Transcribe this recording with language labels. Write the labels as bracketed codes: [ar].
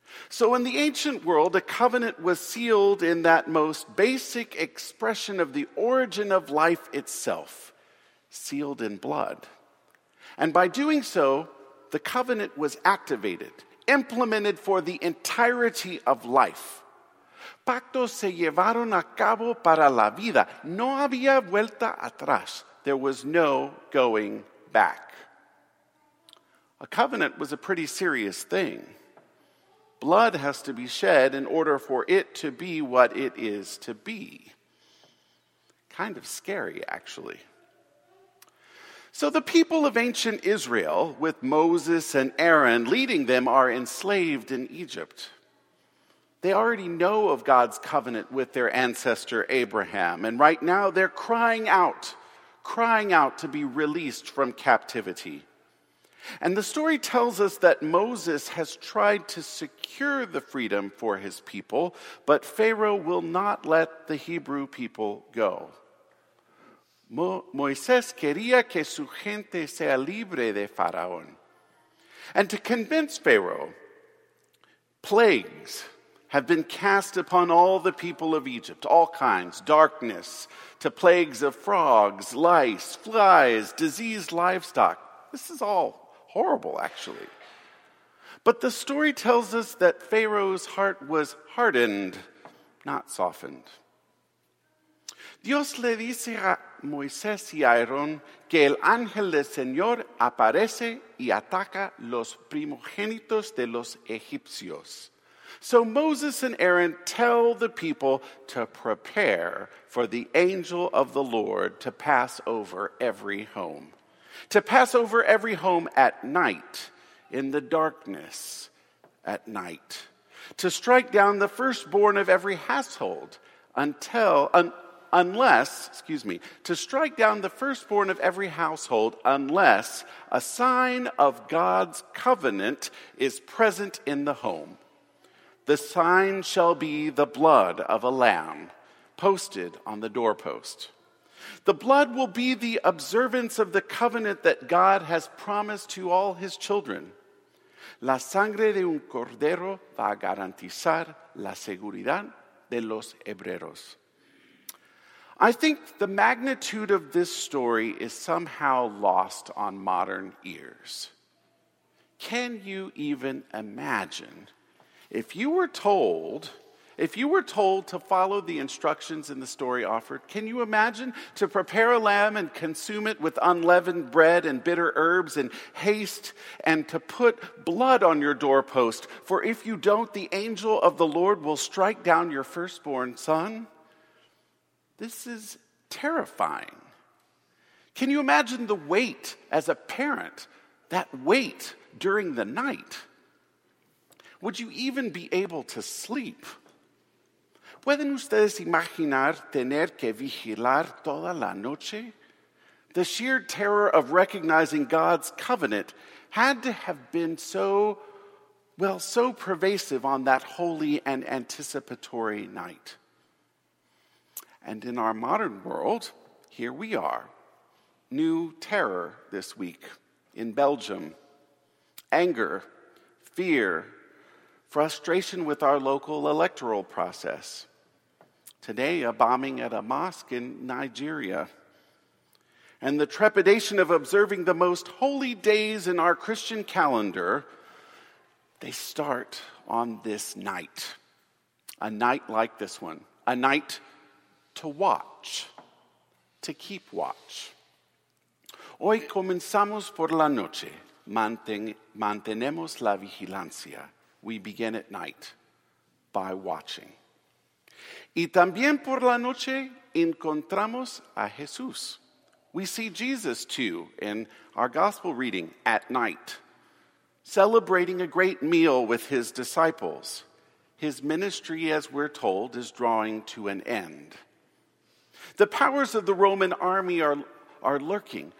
[en] So in the ancient world, a covenant was sealed in that most basic expression of the origin of life itself, sealed in blood. And by doing so, the covenant was activated, implemented for the entirety of life. [es] Pactos se llevaron a cabo para la vida. No había vuelta atrás. [en] There was no going back. A covenant was a pretty serious thing. Blood has to be shed in order for it to be what it is to be. Kind of scary, actually. So the people of ancient Israel, with Moses and Aaron leading them, are enslaved in Egypt. They already know of God's covenant with their ancestor Abraham, and right now they're crying out to be released from captivity. And the story tells us that Moses has tried to secure the freedom for his people, but Pharaoh will not let the Hebrew people go. [es] Moisés quería que su gente sea libre de Faraón. [en] And to convince Pharaoh, plagues have been cast upon all the people of Egypt, all kinds, darkness, to plagues of frogs, lice, flies, diseased livestock. This is all horrible, actually. But the story tells us that Pharaoh's heart was hardened, not softened. [es] Dios le dice a Moisés y a Aarón que el ángel del Señor aparece y ataca los primogénitos de los egipcios. [en] So Moses and Aaron tell the people to prepare for the angel of the Lord to pass over every home. To pass over every home at night, in the darkness, at night. To strike down the firstborn of every household unless a sign of God's covenant is present in the home. The sign shall be the blood of a lamb posted on the doorpost. The blood will be the observance of the covenant that God has promised to all his children. [es] La sangre de un cordero va a garantizar la seguridad de los hebreros. [en] I think the magnitude of this story is somehow lost on modern ears. Can you even imagine If you were told to follow the instructions in the story offered, can you imagine to prepare a lamb and consume it with unleavened bread and bitter herbs in haste and to put blood on your doorpost? For if you don't, the angel of the Lord will strike down your firstborn son. This is terrifying. Can you imagine the weight as a parent, that weight during the night? Would you even be able to sleep? [es] ¿Pueden ustedes imaginar tener que vigilar toda la noche? [en] The sheer terror of recognizing God's covenant had to have been so pervasive on that holy and anticipatory night. And in our modern world, here we are. New terror this week in Belgium. Anger, fear, frustration with our local electoral process. Today, a bombing at a mosque in Nigeria. And the trepidation of observing the most holy days in our Christian calendar, they start on this night. A night like this one. A night to watch. To keep watch. [es] Hoy comenzamos por la noche. Mantenemos la vigilancia. [en] We begin at night by watching. [es] Y también por la noche encontramos a Jesús. [en] We see Jesus too in our gospel reading at night, celebrating a great meal with his disciples. His ministry, as we're told, is drawing to an end. The powers of the Roman army are lurking.